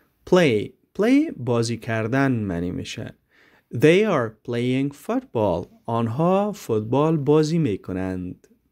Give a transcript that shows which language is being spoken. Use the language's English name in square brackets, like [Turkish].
[Persian] Play بازی کردن معنی میشه. [English] They are playing football. [Persian] آنها فوتبال بازی میکنند.